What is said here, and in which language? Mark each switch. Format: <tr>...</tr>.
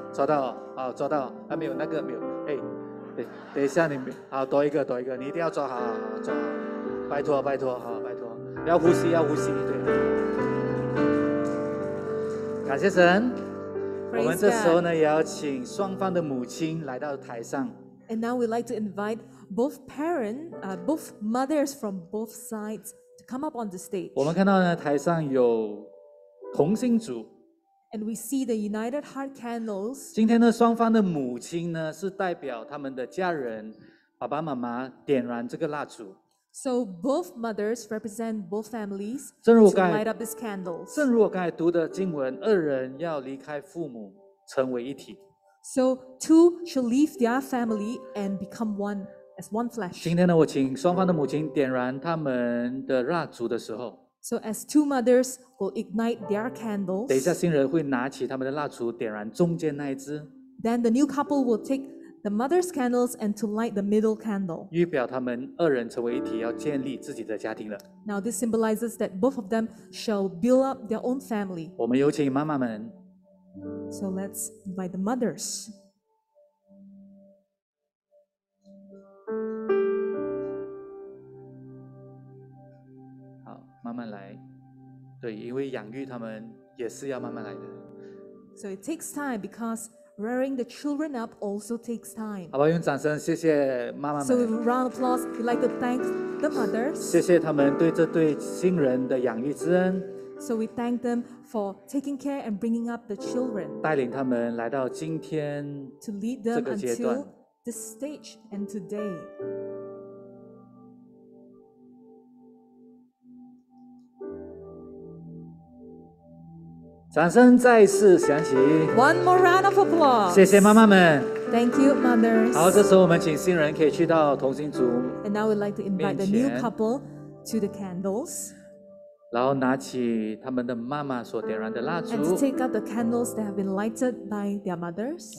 <zh>抓到啊、哦、抓到啊，没有那个没有。哎，等一下你们好，多一个多一个，你一定要抓好，好好抓，拜托拜托，好拜托，要呼吸要呼吸，对。感谢神。</zh> <en>Praise、</en> <zh>我们这时候呢、</zh> <en>God.</en> <zh>也要请双方的母亲来到台上。</zh> <en>And now we'd like to invite both parents, both mothers from both sides to come up on the stage.</en> <zh>我们看到呢台上有同心组。</zh> <en>And we see the United Heart Candles.</en> <zh>今天呢双方的母亲呢是代表他们的家人爸爸妈妈点燃这个蜡烛。</zh> <en>So both mothers represent both families to light up these candles.</en> <zh>正如我刚才读的经文，二人要离开父母，成为一体。</zh> <en>So two shall leave their family and become one as one flesh.</en> <zh>今天呢，我请双方的母亲点燃他们的蜡烛的时候</zh> <en>，So as two mothers will ignite their candles.</en> <zh>等一下，新人会拿起他们的蜡烛点燃中间那一支。</zh> <en>Then the new couple will take. The mother's candles and to light the middle candle.</en> <zh>预表他们二人成为一体，要建立自己的家庭了。</zh> <en>Now this symbolizes that both of them shall build up their own family.</en> <zh>我们有请妈妈们。</zh> <en>So let's invite the mothers.</en> <zh>好，慢慢来。对，因为养育他们也是要慢慢来的。</zh> <en>So it takes time because. Rearing the children up also takes time.</en> <zh>好吧，用掌声谢谢妈妈们。</zh> <en>So with a round of applause, we'd like to thank the mothers.</en> <zh>谢谢他们对这对新人的养育之恩。</zh> <en>So we thank them for taking care and bringing up the children.</en> <zh>带领他们来到今天这个阶段。</zh> <en>To lead them until this stage and today.</en> <zh>掌声再次响起。</zh> <en>One more round of applause.</en> <zh>谢谢妈妈们。</zh> <en>Thank you, mothers.</en> <zh>好，这时候我们请新人可以去到同心组面前。</zh> <en>And now we'd like to invite the new couple to the candles.</en> <zh>然后拿起他们的妈妈所点燃的蜡烛。</zh> <en>And to take up the candles that have been lighted by their mothers.</en>